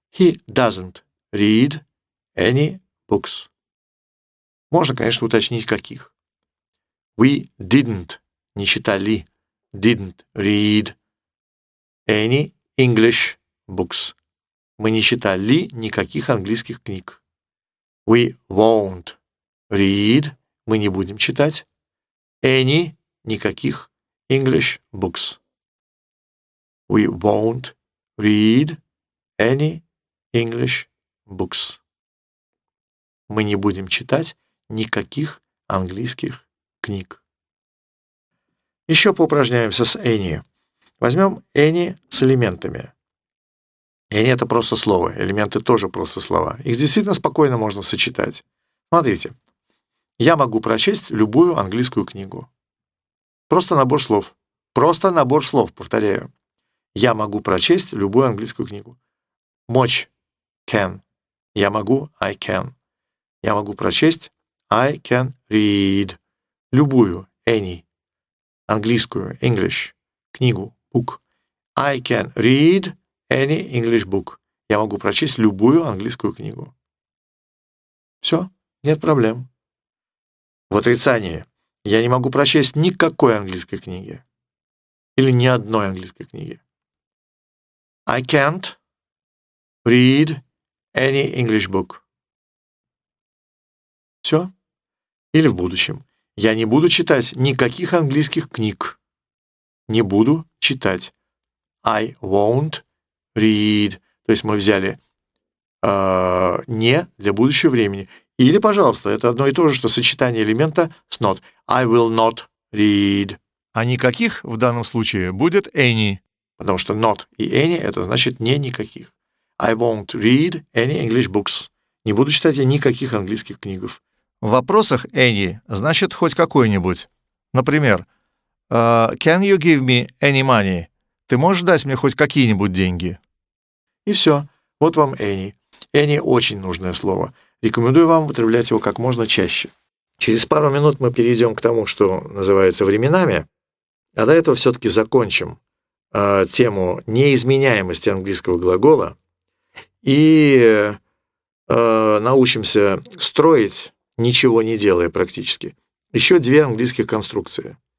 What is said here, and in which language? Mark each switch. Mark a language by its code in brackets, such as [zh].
[en] He doesn't read any books. [ru] Можно, конечно, уточнить, каких. [en] We didn't, [ru] не читали, [en] didn't read any English books. [ru] Мы не читали никаких английских книг. [en] We won't read, [ru] мы не будем читать, [en] any, [ru] никаких [en] English books. We won't read any English books. [ru] Мы не будем читать никаких английских книг. Еще поупражняемся с any. Возьмем any с элементами. Any — это просто слово, элементы тоже просто слова. Их действительно спокойно можно сочетать. Смотрите, я могу прочесть любую английскую книгу. Просто набор слов. Просто набор слов, повторяю. Я могу прочесть любую английскую книгу. [en] Much — can. [ru] Я могу [en] — I can. [ru] Я могу прочесть [en] I can read [ru] любую, any, английскую, English, книгу, book. [en] I can read any English book. [ru] Я могу прочесть любую английскую книгу. Все, нет проблем. В отрицании. Я не могу прочесть никакой английской книги или ни одной английской книги. [en] I can't read any English book. [ru] Все. Или в будущем. Я не буду читать никаких английских книг. Не буду читать. [en] I won't read. [ru] То есть мы взяли не для будущего времени. Или, пожалуйста, это одно и то же, что сочетание элемента с not. [en] I will not read. [ru] А никаких в данном случае будет any. Потому что not и any — это значит не никаких. [en] I won't read any English books. [ru] Не буду читать я никаких английских книг. В вопросах any значит хоть какой-нибудь. Например, [en] can you give me any money? [ru] Ты можешь дать мне хоть какие-нибудь деньги? И все. Вот вам any. Any — очень нужное слово. Рекомендую вам употреблять его как можно чаще. Через пару минут мы перейдем к тому, что называется временами, а до этого все-таки закончим тему неизменяемости английского глагола и научимся строить, ничего не делая практически, еще две английских конструкции.